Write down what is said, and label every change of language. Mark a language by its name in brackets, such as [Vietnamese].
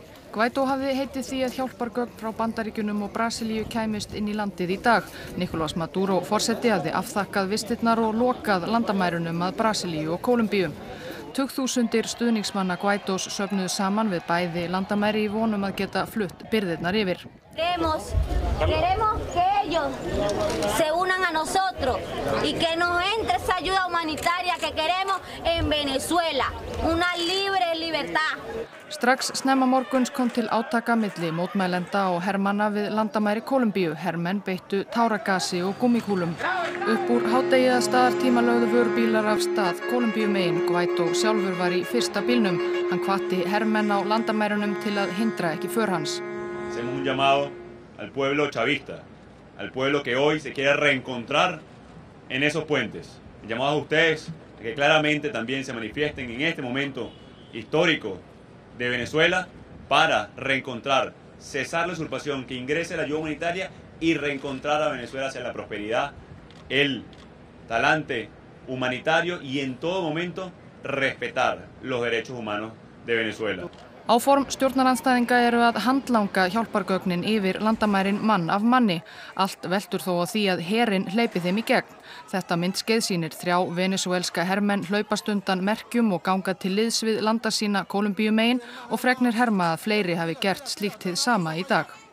[Icelandic] Guaidó hafði heitið því að hjálpargögn frá Bandaríkjunum og Brasilíu kæmist inn í landið í dag. Nicolás Maduro forseti hafði afþakkað vistirnar og lokað landamærunum að Brasilíu og Kólumbíu. Tugþúsundir stuðningsmanna Guaidós söfnuðu saman við bæði landamæri í vonum að geta flutt birðirnar yfir. [Spanish] Queremos que ellos se unan a nosotros y que nos entre esa ayuda humanitaria que queremos en Venezuela. Una libre libertad. [Icelandic] Strax snemma morguns kom til átaka milli mótmælenda og hermanna við landamæri Kólumbíu. Hermenn beittu táragasi og gúmmíkúlum. Upp úr hádegi að staðartíma lögðu vörubílar af stað. Kólumbíu megin Guaidó sjálfur var í fyrsta bílnum. Hann hvatti hermenn á landamærunum til að hindra ekki för hans. [Spanish] Hacemos un llamado al pueblo chavista, al pueblo que hoy se quiere reencontrar en esos puentes. Llamado a ustedes a que claramente también se manifiesten en este momento histórico de Venezuela para reencontrar, cesar la usurpación, que ingrese la ayuda humanitaria y reencontrar a Venezuela hacia la prosperidad, el talante humanitario y en todo momento respetar los derechos humanos de Venezuela. [Icelandic] Áform stjórnarandstæðinga eru að handlanga hjálpargögnin yfir landamærin mann af manni. Allt veltur þó á því að herinn hleypi þeim í gegn. Þetta myndskeið sýnir þrjá venezuelska hermenn hlaupast undan merkjum og ganga til liðs við landa sína Kólumbíu megin og fregnir herma að fleiri hafi gert slíkt hið sama í dag.